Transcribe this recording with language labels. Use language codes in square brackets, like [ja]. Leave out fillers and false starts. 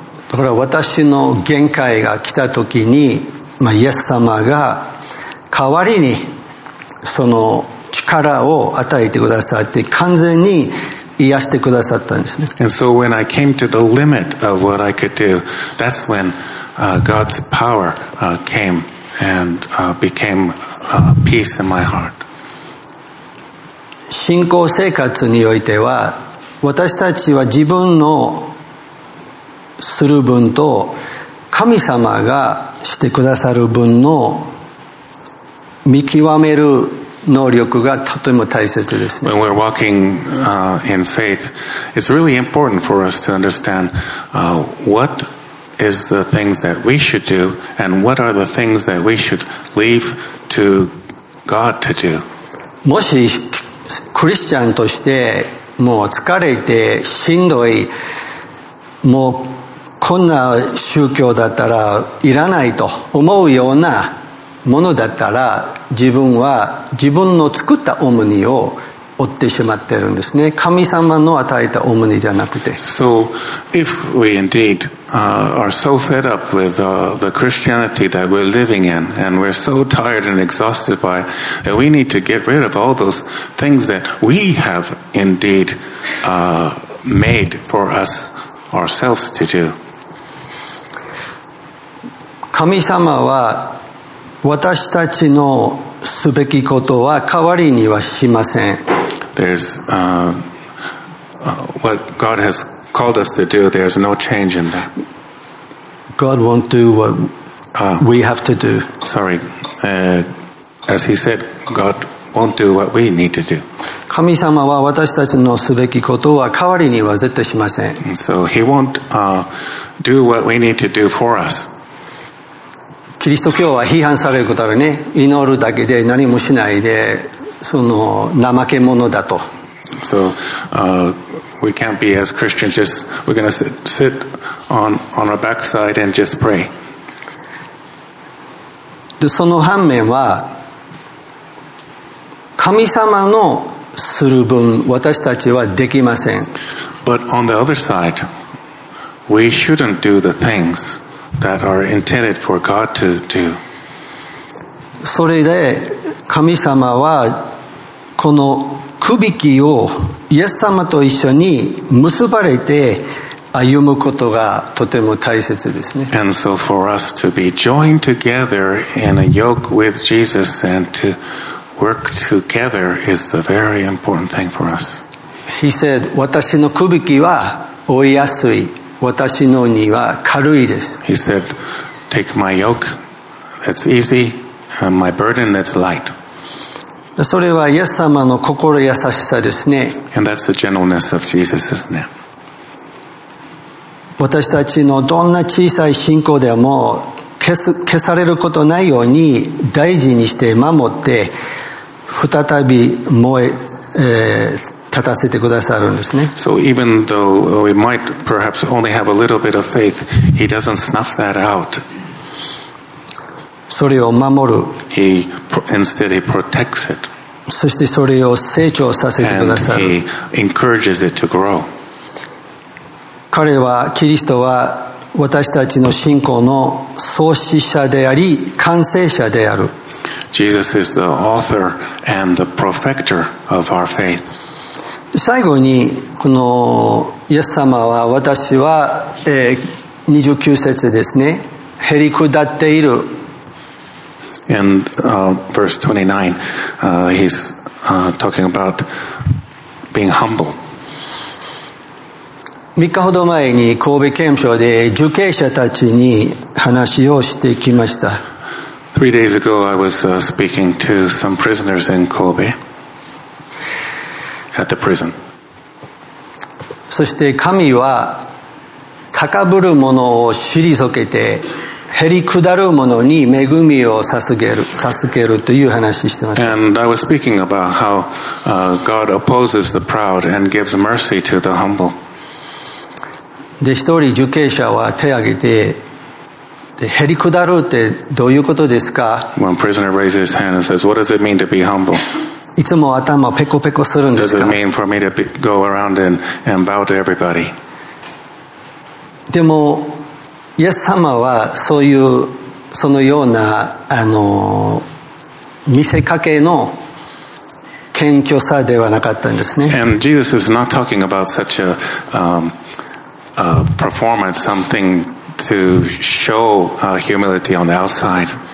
[ja] だから私の限界が来た時に、まあ、イエス様が代わりにその力を与えてくださって完全に癒してくださったんですね。 [en] And so when I came to the limit of what I could do, that's when God's power came and became peace in my heart. [ja] 信仰生活においては私たちは自分のする分と神様がしてくださる分の見極める能力がとても大切ですね。 [en] When we're walking in faith, it's really important for us to understand what is the things that we should do and what are the things that we should leave to God to do. [ja] もしクリスチャンとしてもう疲れてしんどい、もうこんな宗教だったらいらないと思うようなものだったら、自分は自分の作った重荷を負ってしまってるんですね。神様の与えた重荷じゃなくて。 [en] So if we indeed are so fed up with the Christianity that we're living in, and we're so tired and exhausted by, that we need to get rid of all those things that we have indeed made for us ourselves to do. [ja] 神様は私たちのすべきことは代わりにはしません。 [en] There's what God has called us to do. There's no change in that. God won't do what we have to do. Sorry, as he said, God won't do what we need to do. [ja] 神様は私たちのすべきことは代わりには絶対しません。 [en] And so he won't do what we need to do for us. [ja] キリスト教は批判されることあるね。祈るだけで何もしないで、その怠け者だと。 [en] So, we can't be as Christians. Just we're going to sit on our backside and just pray. [ja] で、その反面は、神様のする分私たちはできません。 [en] But on the other side, we shouldn't do the things. That are intended for God to do. [ja] それで神様はこの首輝きをイエス様と一緒に結ばれて歩むことがとても大切ですね。 [en] And so for us to be joined together in a yoke with Jesus and to work together is the very important thing for us. He said, [ja] 私の首輝きは負いやすい。私の荷は軽いです。 [en] He said, "Take my yoke, that's easy, and my burden, that's light." [ja] それはイエス様の心優しさですね。 [en] And that's the gentleness of Jesus, isn't it? [ja] 私たちのどんな小さい信仰でも消されることないように大事にして守って再び燃え、立たせてくださるんですね。 [en] So even though we might perhaps only have a little bit of faith, he doesn't snuff that out. [ja] それを守る。 [en] He instead he protects it. [ja] そしてそれを成長させてくださる。 [en] And he encourages it to grow. [ja] 彼は、キリストは私たちの信仰の創始者であり完成者である。 [en] Jesus is the author and the perfecter of our faith. [ja] 最後にこのイエス様は私は、29節ですね、へりくだっている。 [en] And、verse 29、talking about being humble。 [ja] 3日ほど前に神戸刑務所で受刑者たちに話をしてきました。 [en] 3 days ago I was、speaking to some prisoners in Kobe at the prison。 [ja] そして神は高ぶる者を退けて減り下る者に恵みを授けるという話をしてました。 [en] And I was speaking about how、God opposes the proud and gives mercy to the humble。 [ja] で、一人受刑者は手を挙げて、減り下るってどういうことですか？ [en] One prisoner raises his hand and says, What does it mean to be humble? [ja] いつも頭ペコペコするんですか？ [en] Does it mean for me to be, go around and bow to everybody? [ja] でもイエス様はそういうそのようなあの見せかけの謙虚さではなかったんですね。 [en] And Jesus is not talking about such a, a performance, something to show、humility on the outside.